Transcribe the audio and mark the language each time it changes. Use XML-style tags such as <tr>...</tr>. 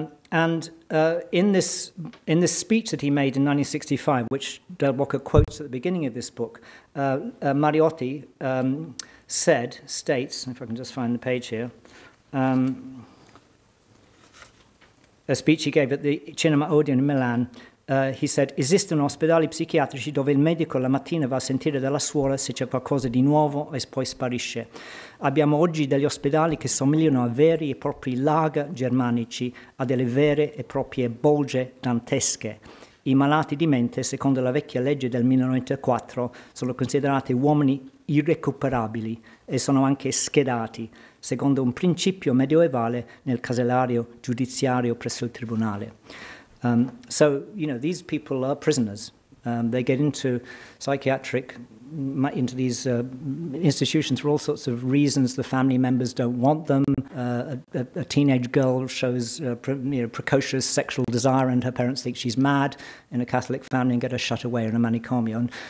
<en>In this speech that he made in 1965, which Del Boca quotes at the beginning of this book, Mariotti states, if I can just find the page here, a speech he gave at the Cinema Odeon in Milan.</en> <it>He said, esistono ospedali psichiatrici dove il medico la mattina va a sentire dalla suora se c'è qualcosa di nuovo e poi sparisce. Abbiamo oggi degli ospedali che somigliano a veri e propri lager germanici, a delle vere e proprie bolge dantesche. I malati di mente, secondo la vecchia legge del 1994, sono considerati uomini irrecuperabili e sono anche schedati, secondo un principio medioevale, nel casellario giudiziario presso il tribunale.</it> <en>So, you know, these people are prisoners. They get into psychiatric, into these institutions for all sorts of reasons. The family members don't want them. A teenage girl shows precocious sexual desire and her parents think she's mad in a Catholic family and get her shut away in a manicomio.</en>